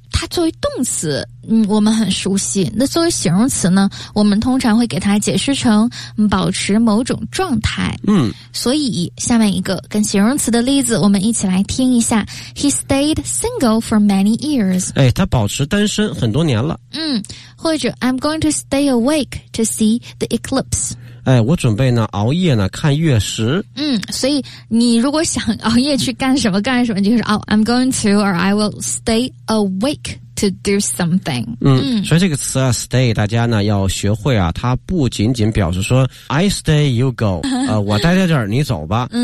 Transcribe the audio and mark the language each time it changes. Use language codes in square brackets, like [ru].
[zh] 它作为动词我们很熟悉，那作为形容词呢，我们通常会给它解释成保持某种状态。所以下面一个跟形容词的例子我们一起来听一下。 [en] He stayed single for many years。 [zh] 哎，他保持单身很多年了。 [en] 或者 I'm going to stay awake to see the eclipse。 [zh] 哎，我准备呢熬夜呢看月食。所以你如果想熬夜去干什么干什么，就是 [en] I'm going to or I will stay awake to do something。 [zh] 所以这个词啊 stay 大家呢要学会啊，它不仅仅表示说 [en] I stay you go， [zh] 我待在这儿你走吧。